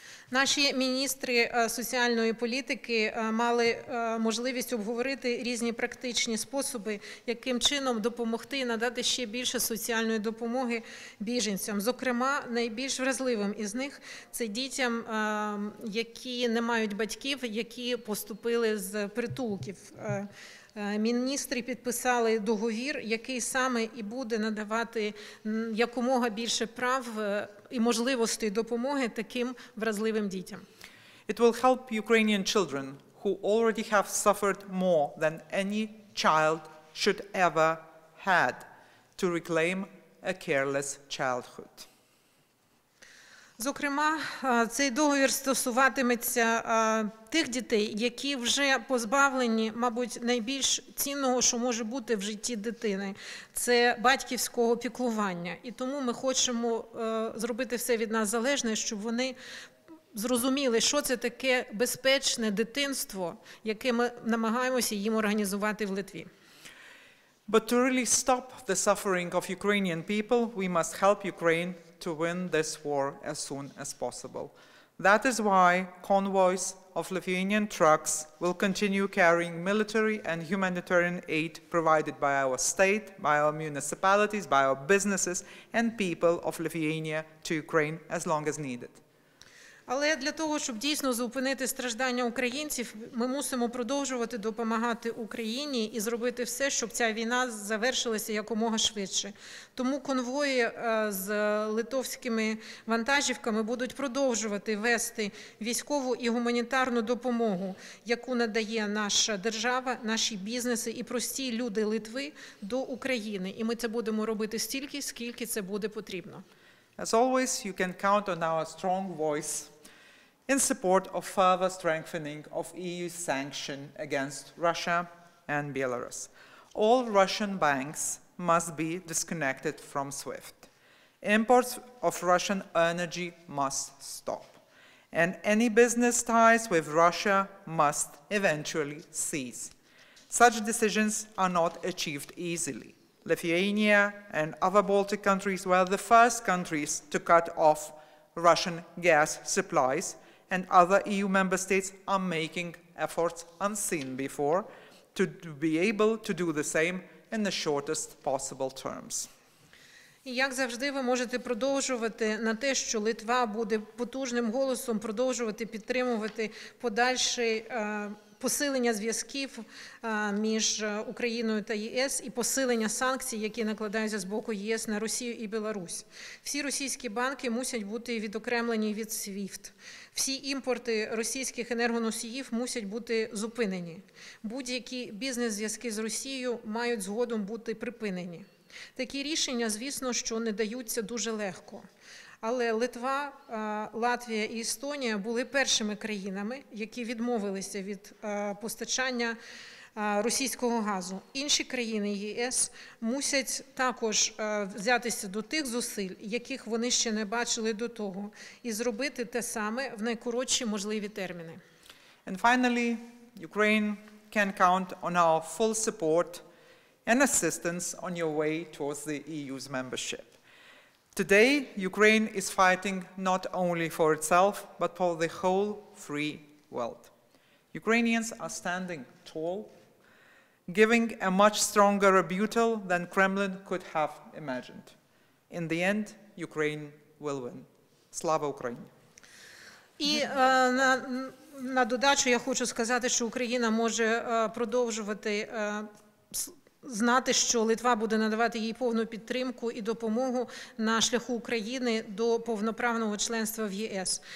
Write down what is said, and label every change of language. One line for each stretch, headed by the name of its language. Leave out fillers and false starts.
Ukrainian: Наші міністри соціальної політики мали можливість обговорити різні практичні способи, яким чином допомогти і надати ще більше соціальної допомоги біженцям. Зокрема, найбільш вразливим із них – це дітям, які не мають батьків, які поступили з притулків. Міністри підписали договір, який саме і буде надавати якомога більше прав і можливостей допомоги таким вразливим дітям.
English: It will help Ukrainian children who already have suffered more than any child should ever had to reclaim a careless childhood.
Ukrainian: Зокрема, цей договір стосуватиметься тих дітей, які вже позбавлені, мабуть, найбільш цінного, що може бути в житті дитини. Це батьківського піклування. І тому ми хочемо зробити все від нас залежне, щоб вони зрозуміли, що це таке безпечне дитинство, яке ми намагаємося їм організувати в Литві.
English: But to really stop the suffering of Ukrainian people, we must help Ukraine to win this war as soon as possible. That is why convoys of Lithuanian trucks will continue carrying military and humanitarian aid provided by our state, by our municipalities, by our businesses and people of Lithuania to Ukraine as long as needed.
Ukrainian: Але для того, щоб дійсно зупинити страждання українців, ми мусимо продовжувати допомагати Україні і зробити все, щоб ця війна завершилася якомога швидше. Тому конвої з литовськими вантажівками будуть продовжувати вести військову і гуманітарну допомогу, яку надає наша держава, наші бізнеси і прості люди Литви до України. І ми це будемо робити стільки, скільки це буде потрібно.
English: As always, you can count on our strong voice in support of further strengthening of EU sanction against Russia and Belarus. All Russian banks must be disconnected from SWIFT. Imports of Russian energy must stop. And any business ties with Russia must eventually cease. Such decisions are not achieved easily. Lithuania and other Baltic countries were the first countries to cut off Russian gas supplies, and other EU member states are making efforts unseen before to be able to do the same in the shortest possible terms.
Ukrainian: І як завжди, ви можете продовжувати на те, що Литва буде потужним голосом продовжувати підтримувати подальший посилення зв'язків між Україною та ЄС і посилення санкцій, які накладаються з боку ЄС на Росію і Білорусь. Всі російські банки мусять бути відокремлені від SWIFT. Всі імпорти російських енергоносіїв мусять бути зупинені. Будь-які бізнес-зв'язки з Росією мають згодом бути припинені. Такі рішення, звісно, що не даються дуже легко. Але Литва, Латвія і Естонія були першими країнами, які відмовилися від постачання російського газу. Інші країни ЄС мусять також взятися до тих зусиль, яких вони ще не бачили до того, і зробити те саме в найкоротші можливі терміни.
English: And finally, Ukraine can count on our full support and assistance on your way towards the EU's membership. Today, Ukraine is fighting not only for itself, but for the whole free world. Ukrainians are standing tall, giving a much stronger rebuttal than Kremlin could have imagined. In the end, Ukraine will win.
Ukrainian: Слава Україні! І на додачу я хочу сказати, що Україна може продовжувати знати, що Литва буде надавати їй повну підтримку і допомогу на шляху України до повноправного членства в ЄС.